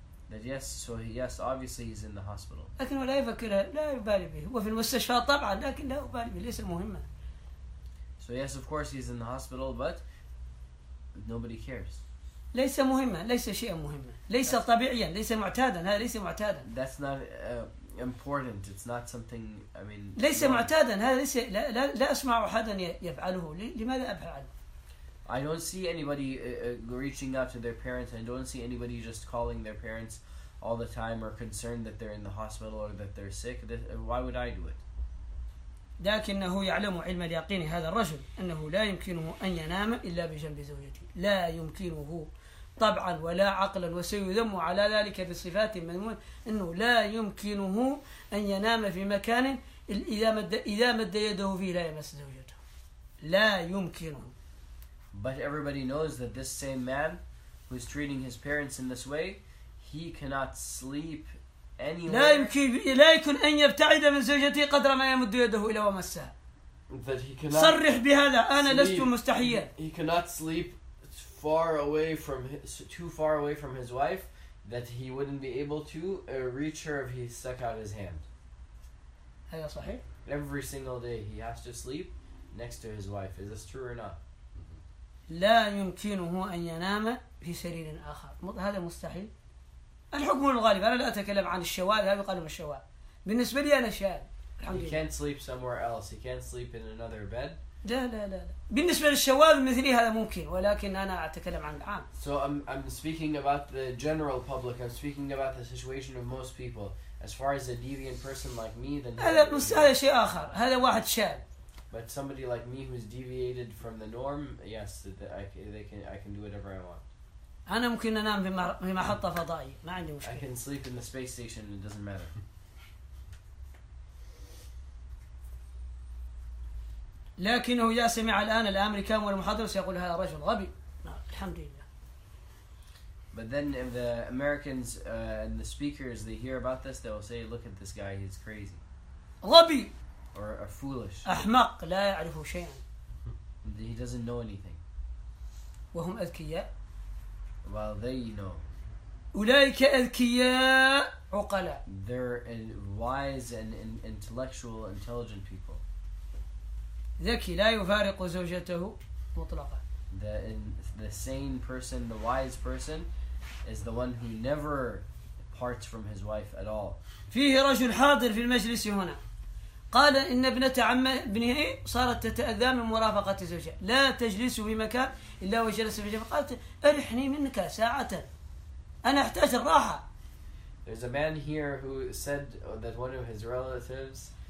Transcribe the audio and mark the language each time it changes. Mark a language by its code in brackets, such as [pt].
[en] That yes, so yes, obviously he's in the hospital. [ar] لكن ولا يفكر لا يبالي به هو في المستشفى طبعا لكن لا يبالي به ليس مهمة. [en] So yes, of course he's in the hospital, but nobody cares. [ar] ليس مهمة, ليس شيء مهمة, ليس طبيعيا, ليس معتادا, هذا ليس معتادا. [en] That's not important. It's not something. I mean. [ar] ليس معتادا هذا ليس لا لا لا أسمع أحدا يفعله لماذا أفعل؟ [en] I don't see anybody reaching out to their parents. I don't see anybody just calling their parents all the time or concerned that they're in the hospital or that they're sick. Why would I do it? [ar] لكنه يعلم علم اليقين هذا الرجل أنه لا يمكنه أن ينام إلا بجنب زوجته. لا يمكنه طبعا ولا عقلا وسيذم على ذلك بصفات المذموم انه لا يمكنه ان ينام في مكان اذا مد يده فيه لا يمس زوجته لا يمكنه. [en] But everybody knows that this same man who's treating his parents in this way, he cannot sleep anywhere. [ar] لا يمكن لا يكون ان يبتعد من زوجته قدر ما يمد يده الى ومسها. [en] That he cannot [ar] صرح بهذا انا لست مستحيا. [en] He cannot sleep far away from his, too far away from his wife that he wouldn't be able to reach her if he stuck out his hand. [ar] هذا صحيح. [en] Every single day he has to sleep next to his wife. Is this true or not? [ar] لا يمكنه ان ينام في سرير اخر. هذا مستحيل. الحكم الغالب انا لا اتكلم عن الشواذ هذا قالوا الشواذ. بالنسبه لي انا شاذ. [en] He can't sleep somewhere else. He can't sleep in another bed. [ar] لا لا لا. بالنسبة للشواذ مثلي هذا ممكن ولكن أنا أتكلم عن العام. [en] So I'm speaking about the general public. I'm speaking about the situation of most people. As far as a deviant person like me, then [ar] هذا مستحيل شيء آخر. هذا واحد شاذ. [en] But somebody like me who's deviated from the norm, yes, I can do whatever I want. [ar] أنا ممكن أنام في محطة فضائية. ما عندي مشكلة. [en] I can sleep in the space station. It doesn't matter. [ar] لكنه يا سمع الآن الأمريكان والمحاضر سيقول هذا رجل غبي. الحمد لله. [en] But then if the Americans and the speakers they hear about this they will say look at this guy he's crazy. [ar] غبي. [en] Or a foolish. [ar] أحمق لا يعرف شيئا. [en] He doesn't know anything. [ar] وهم أذكياء. [en] Well they know. [ar] أولئك أذكياء عقلاء. [en] They're wise and intellectual intelligent people. [ar] ذكي لا يفارق زوجته مطلقا. [en] The sane person, the wise person, is the one who never parts from his wife at all. [ar] فيه رجل حاضر في المجلس هنا. قال إن ابنه صارت تتأذى من مرافقة زوجها. لا تجلس في مكان إلا وجلس في جنبه. قالت أرحني منك ساعة. أنا أحتاج الراحة. [en] There's a man here who said that one of his relatives.